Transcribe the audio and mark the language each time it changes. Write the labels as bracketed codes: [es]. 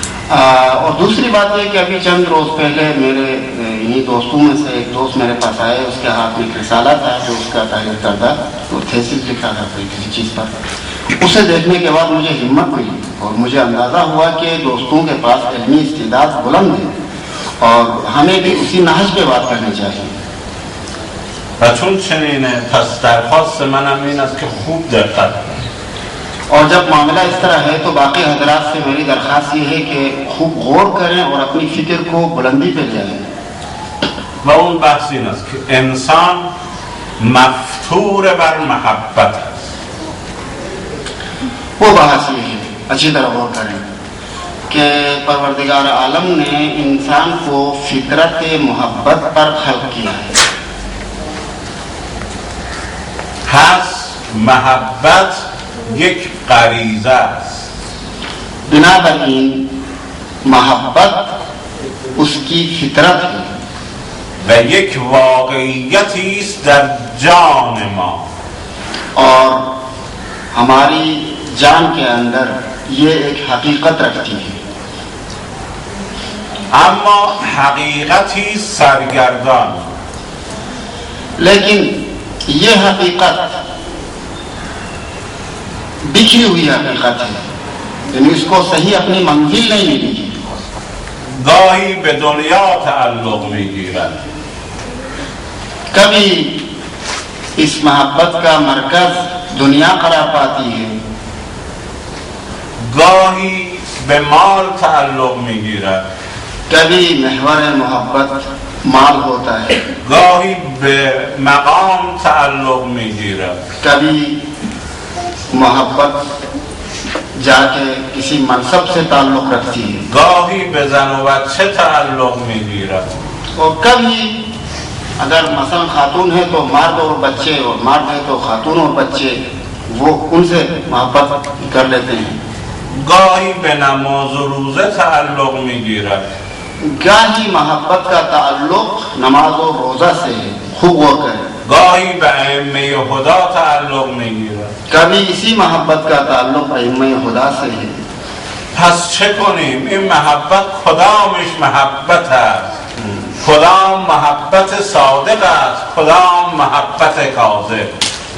[ur] اور دوسری بات یہ کہ ابھی چند روز پہلے میرے انہی دوستوں میں سے ایک دوست میرے پاس آئے اس کے ہاتھ میں ایک رسالہ تھا جو اس کا تحریر کردہ وہ تھیسس لکھا تھا کوئی کسی چیز پر. اسے دیکھنے کے بعد مجھے ہمت ہوئی اور مجھے اندازہ ہوا کہ دوستوں کے پاس علمی استعداد بلند ہے اور ہمیں بھی اسی نحج پہ بات کرنی چاہیے. [fa] بچوں چنین ہے پس درخواست من امین است کہ خوب دقت. [ur] اور جب معاملہ اس طرح ہے تو باقی حضرات سے میری درخواست یہ ہے کہ خوب غور کریں اور اپنی فکر کو بلندی پہ جائیں. [fa] و اون بحث این است کہ انسان مفتور بر محبت است. [ur] وہ بحث یہ ہے اچھی طرح غور کریں کہ پروردگار عالم نے انسان کو فطرت محبت پر خلق کیا ہے. [fa] پس محبت یک غریزه است، [ur] بنابراین محبت اس کی فطرت ہے [fa] و یک واقعیتی است در جان ما، [ur] اور ہماری جان کے اندر یہ ایک حقیقت رکھتی ہے. [fa] اما حقیقتی سرگردان، [ur] لیکن یہ حقیقت بکھری ہوئی حقیقت ہے، یعنی اس کو صحیح اپنی منزل نہیں ملی. [fa] گاہی به دنیا تعلق میگیرد، [ur] کبھی اس محبت کا مرکز دنیا قرار پاتی ہے، [fa] گاہی به مال تعلق میگیرد، [ur] کبھی محور محبت مال ہوتا ہے، [fa] گاہی به مقام تعلق میگیرد، [ur] کبھی محبت جا کے کسی منصب سے تعلق رکھتی ہے، [fa] گاہی به زن و بچه تعلق میگیرد، [ur] اور کبھی اگر مثلا خاتون ہے تو مرد اور بچے، اور مرد ہے تو خاتون اور بچے، وہ ان سے محبت کر لیتے ہیں، [fa] گاہی به نماز و روزه تعلق میگیرد، [ur] گاہی محبت کا تعلق نماز و روزہ سے خوب ہو کر، [fa] گاہی به ائمه خدا تعلق میگیرد، [ur] کبھی اسی محبت کا تعلق ائمه خدا سے ہے. [fa] پس چه کنیم؟ این محبت کدامش محبت است؟ کدام محبت صادق است؟ کدام محبت کاذب؟